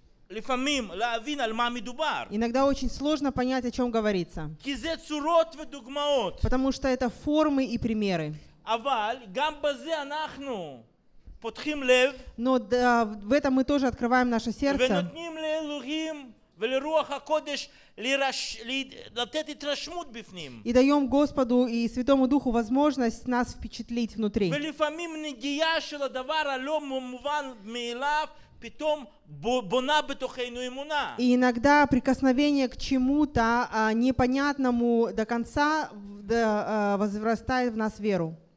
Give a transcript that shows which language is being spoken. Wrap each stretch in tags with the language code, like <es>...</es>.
<he>לפעמים להבין על מה מדובר.</he> <ru>Иногда очень сложно понять, о чем говорится.</ru> <he>כי זה צורות ודוגמאות.</he> <ru>Потому что это формы и примеры.</ru> <he>אבל גם בזה אנחנו פותחים לב.</he> <ru>Но да, в этом мы тоже открываем наше сердце.</ru> <he>ונותנים לאלוהים ולרוח הקודש לתת התרשמות בפנים.</he> <ru>И даем Господу и Святому Духу возможность нас впечатлить внутри.</ru> <he>ולפעמים נגיעה של הדבר הלא מובן מאליו פתאום בונה בתוכנו אמונה.</he> <ru>И иногда прикосновение к чему-то непонятному до конца возрастает в нас веру.</ru>